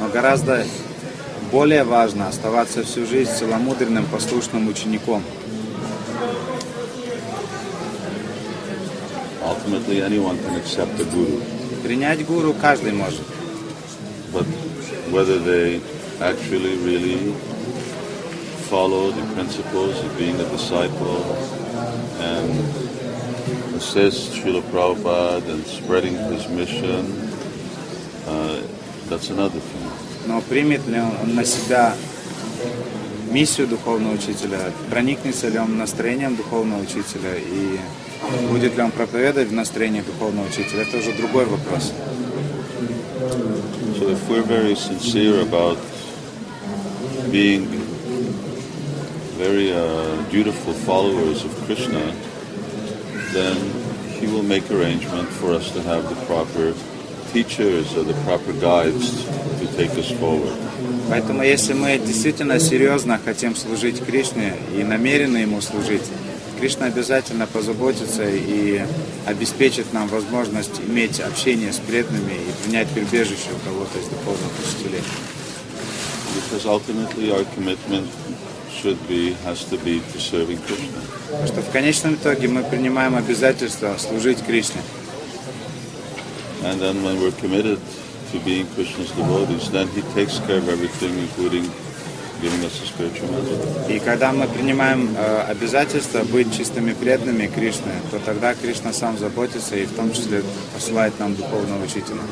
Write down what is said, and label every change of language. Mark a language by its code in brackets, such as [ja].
[ru] Но гораздо более важно оставаться всю жизнь целомудренным, послушным учеником. [en] Ultimately, anyone can accept a guru. [ru] Принять гуру каждый может. [en] But whether they actually really follow the principles of being a disciple and assist Srila Prabhupada and spreading his mission, that's another thing. [ru] Но примет ли он на себя миссию духовного учителя, проникнется ли он настроением духовного учителя и будет ли он проповедовать в настроении духовного учителя, это уже другой вопрос. [en] So if we're very sincere about being very dutiful followers of Krishna, then he will make arrangement for us to have the proper teachers or the proper guides to take us forward. [ru] Поэтому если мы действительно серьезно хотим служить Кришне и намерены ему служить, Кришна обязательно позаботится и обеспечит нам возможность иметь общение с преданными и принять прибежище у кого-то из духовных учителей. [en] Because ultimately our commitment should be, has to be to serving Krishna. [ru] Потому что в конечном итоге мы принимаем обязательство служить Кришне. [en] And then when we're committed to being Krishna's devotees, then he takes care of everything, including giving us a spiritual master. [ru] И когда мы принимаем обязательство быть чистыми преданными Кришне, то тогда Кришна сам заботится и в том числе посылает нам духовного учителя.